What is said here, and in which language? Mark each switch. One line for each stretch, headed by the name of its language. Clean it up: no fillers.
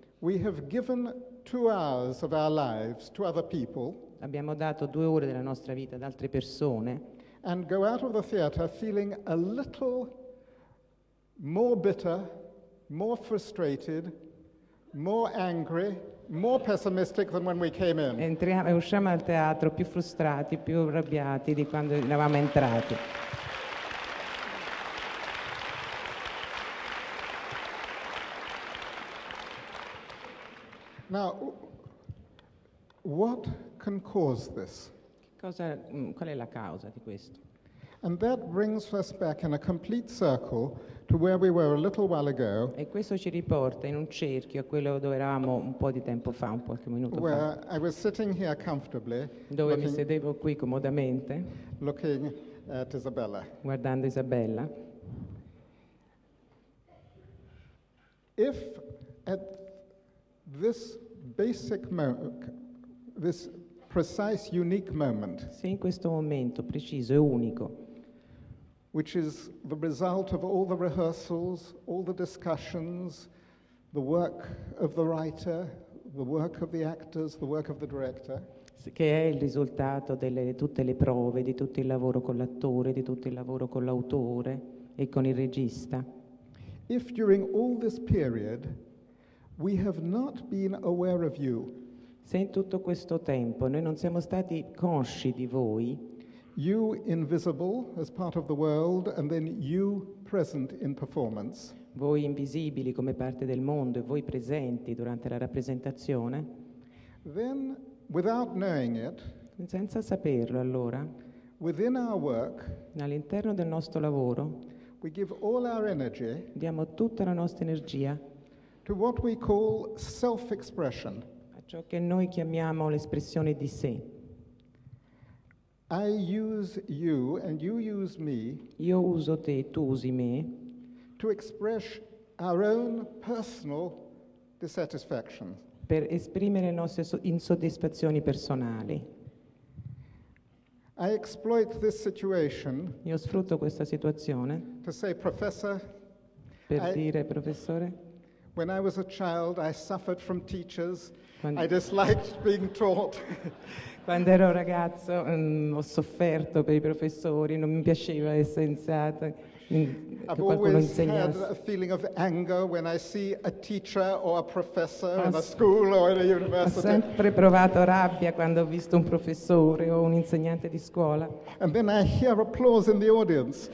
English: we have given 2 hours of our lives to other people,
Italian: abbiamo dato 2 ore della nostra vita ad altre persone,
English: and go out of the theater feeling a little more bitter, more frustrated, more angry, more pessimistic than when we came in.
Italian: Entriamo e usciamo dal teatro più frustrati, più arrabbiati di quando eravamo entrati.
English: Now, what can cause this?
Italian: Qual è la causa di questo?
English: And that brings us back in a complete circle to where we were a little while ago.
Italian: E questo ci riporta in un cerchio a quello dove eravamo un po' di tempo fa, un qualche minuto fa.
English: Where I was sitting here comfortably.
Italian: Dove mi sedevo qui comodamente.
English: Looking at Isabella.
Italian: Guardando Isabella.
English: If at this basic moment, this precise, unique moment.
Italian: Se in questo momento preciso e unico,
English: which is the result of all the rehearsals, all the discussions, the work of the writer, the work of the actors, the work of the director.
Italian: Che è il risultato delle tutte le prove, di tutto il lavoro con l'attore, di tutto il lavoro con l'autore e con il regista.
English: If during all this period we have not been aware of you.
Italian: Se in tutto questo tempo noi non siamo stati consci di voi.
English: You invisible as part of the world and then you present in performance.
Italian: Voi invisibili come parte del mondo e voi presenti durante la rappresentazione.
English: Then, without knowing it,
Italian: senza saperlo allora,
English: within our work,
Italian: all'interno del nostro lavoro,
English: we give all our energy,
Italian: diamo tutta la nostra energia,
English: to what we call self-expression.
Italian: A ciò che noi chiamiamo l'espressione di sé.
English: I use you and you use me.
Italian: Io uso te, tu usi me.
English: To express our own personal dissatisfaction.
Italian: Per esprimere le nostre insoddisfazioni personali.
English: I exploit this situation.
Italian: Io sfrutto questa situazione.
English: To say professor.
Italian: Per dire professore.
English: When I was a child, I suffered from teachers. I disliked being taught.
Italian: Quando ero ragazzo, ho sofferto per i professori. Non mi piaceva essere insegnata.
English: I've always had a feeling of anger when I see a teacher or a professor in a school or in a university.
Italian: Ho sempre provato rabbia quando ho visto un professore o un insegnante di scuola.
English: And then I hear applause in the audience.